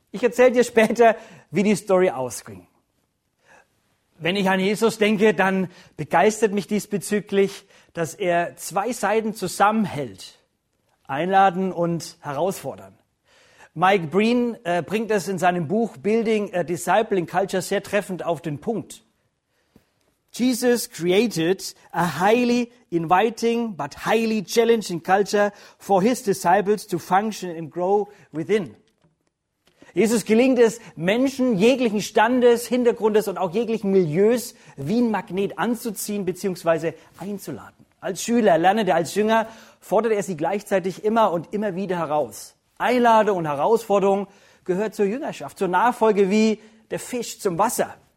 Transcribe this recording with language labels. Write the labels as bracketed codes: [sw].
[de] Ich erzähle dir später, wie die Story ausging. Wenn ich an Jesus denke, dann begeistert mich diesbezüglich, dass er zwei Seiten zusammenhält. Einladen und herausfordern. Mike Breen bringt es in seinem Buch Building a Discipling Culture sehr treffend auf den Punkt. [en] Jesus created a highly inviting but highly challenging culture for his disciples to function and grow within. [de] Jesus gelingt es, Menschen jeglichen Standes, Hintergrundes und auch jeglichen Milieus wie ein Magnet anzuziehen bzw. einzuladen. Als Schüler, Lernende, als Jünger fordert er sie gleichzeitig immer und immer wieder heraus. Einladung und Herausforderung gehört zur Jüngerschaft, zur Nachfolge wie der Fisch zum Wasser.